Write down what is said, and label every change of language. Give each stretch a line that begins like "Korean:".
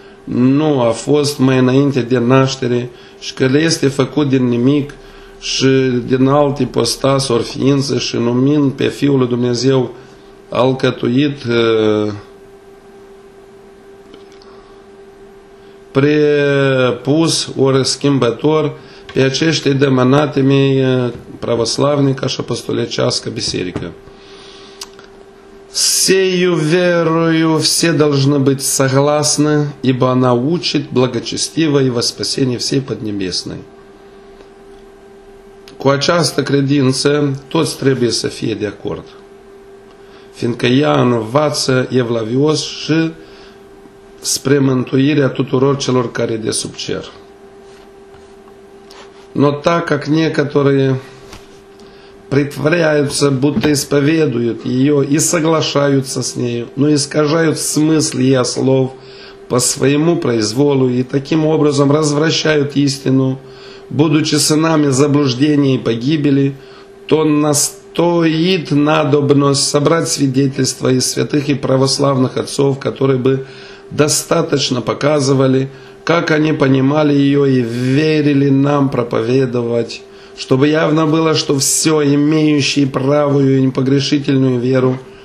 Romanian: nu a fost mai înainte de naștere și că le este făcut din nimic și din alt ipostas ori ființă și numind pe Fiul lui Dumnezeu alcătuit prepus ori schimbător pe aceștia de mănatimii pravoslavnică și apostolicească biserică.
Russian: Сею верою все должны быть согласны, ибо она учит благочестиво и во спасение всей Поднебесной.
Romanian: Cu această credință toți trebuie să fie de acord, fiindcă ea învață evlavios și spre mântuirea tuturor celor care de sub cer.
Russian: Но так как некоторые притворяются, будто исповедуют ее и соглашаются с нею, но искажают смысл ее слов по своему произволу и таким образом развращают истину, будучи сынами заблуждения и погибели, то настоит надобность собрать свидетельства из святых и православных отцов, которые бы достаточно показывали, как они понимали ее и верили нам проповедовать, чтобы явно было, что все, имеющие правую и непогрешительную веру,